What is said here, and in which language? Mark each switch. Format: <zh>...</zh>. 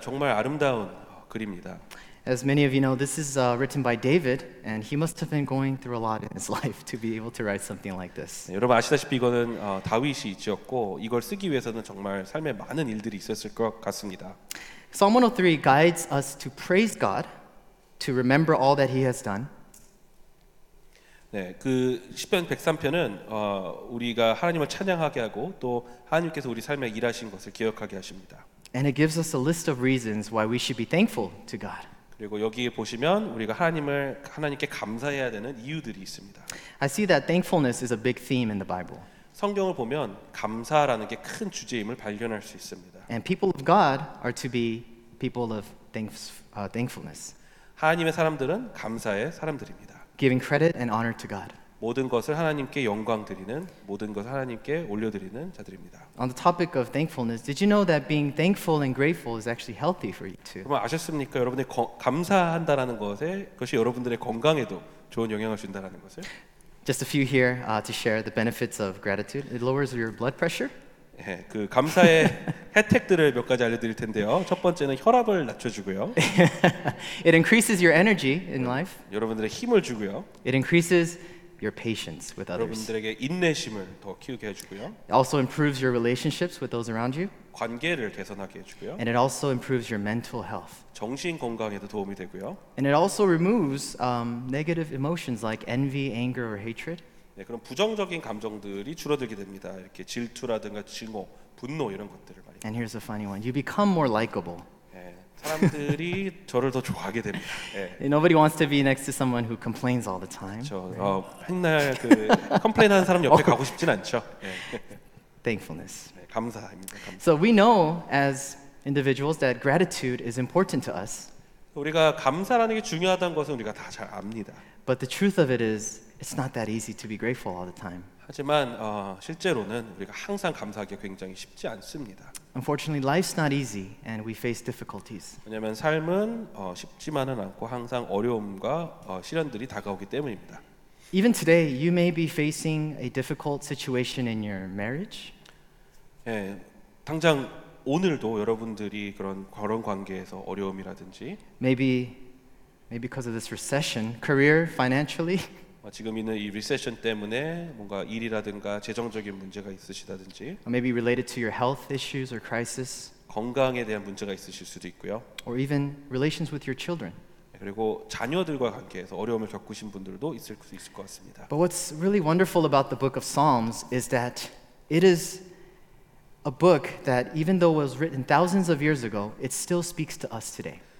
<ko>정말 아름다운 글입니다.</ko> <en>As many of you know, this is written by David, and he must have been going through a lot in his life to be able to write something like this.</en> <ko>여러분 아시다시피 이거는 다윗이 지었고 이걸 쓰기 위해서는 정말 삶에 많은 일들이 있었을 것 같습니다.</ko> <en>Psalm 103 guides us to praise God, to remember all that He has done.</en> <ko>네, 그 시편 103편은 우리가 하나님을 찬양하게 하고 또 하나님께서 우리 삶에 일하신 것을 기억하게 하십니다.</ko> <en>And it gives us a list of reasons why we should be thankful to God.</en> <ko>그리고 여기 보시면 우리가 하나님을 하나님께 감사해야 되는 이유들이 있습니다.</ko> <en>I see that thankfulness is a big theme in the Bible.</en> <ko>성경을 보면 감사라는 게 큰 주제임을 발견할 수 있습니다.</ko> <en>And people of God are to be people of thankfulness.</en> <ko>하나님의 사람들은 감사의 사람들입니다.</ko> <en>Giving credit and honor to God.</en> <ko>모든 것을 하나님께 영광 드리는 모든 것을 하나님께 올려 드리는 자들입니다.</ko> <en>On the topic of thankfulness, did you know that being thankful and grateful is actually healthy for you too?</en> <ko>그럼 아셨습니까? 여러분이 감사한다라는 것에 그것이 여러분들의 건강에도 좋은 영향을 준다라는 것을.</ko> <en>Just a few here to share the benefits of gratitude. It lowers your blood pressure.</en> <ko>예, 그 감사의 혜택들을 몇 가지 알려 드릴 텐데요. 첫 번째는 혈압을 낮춰 주고요.</ko> <en>It increases your energy in life.</en> <ko>여러분들의 힘을 주고요.</ko> <en>It increases your patience with others.</en> <ko>여러분들에게 인내심을 더 키우게 해주고요.</ko> <en>It also improves your relationships with those around you.</en> <ko>관계를 개선하게 해주고요.</ko> <en>And it also improves your mental health.</en> <ko>정신 건강에도 도움이 되고요.</ko> <en>And it also removes negative emotions like envy, anger, or hatred.</en> <ko>네, 그런 부정적인 감정들이 줄어들게 됩니다. 이렇게 질투라든가 증오, 분노 이런 것들을 말이죠.</ko> <en>And here's a funny one. You become more likable.</en> <ko>사람들이 저를 더 좋아하게 됩니다. 네.</ko> <en>Nobody wants to be next to someone who complains all the time.</en> <ko>저 맨날 그 컴플레인하는 사람 옆에 가고 싶진 않죠. 네.</ko> <en>Thankfulness. 네,</en> <ko>감사합니다. 감사.</ko> <en>So we know as individuals that gratitude is important to us.</en> <ko>우리가 감사라는 게 중요하다는 것은 우리가 다 잘 압니다.</ko> <en>But the truth of it is, it's not that easy to be grateful all the time.</en> <ko>하지만 실제로는 우리가 항상 감사하기 굉장히 쉽지 않습니다.</ko> <en>Unfortunately, life's not easy, and we face difficulties.</en> <ko>왜냐하면 삶은 쉽지만은 않고 항상 어려움과 시련들이 다가오기 때문입니다.</ko> <en>Even today, you may be facing a difficult situation in your marriage.</en> <ko>예, 당장 오늘도 여러분들이 그런 결혼 관계에서 어려움이라든지.</ko> <en>Maybe because of this recession, career, financially.</en> <ko>지금 있는 이 리세션 때문에 뭔가 일이라든가 재정적인 문제가 있으시다든지</ko> <en>maybe related to your health issues or crisis</en> <ko>건강에 대한 문제가 있으실 수도 있고요</ko> <en>or even relations with your children</en> <ko>그리고 자녀들과 관계에서 어려움을 겪으신 분들도 있을 수 있을 것 같습니다</ko> <en>but what's really wonderful about the book of Psalms is that it is a book that even though it was written thousands of years ago it still speaks to us today</en>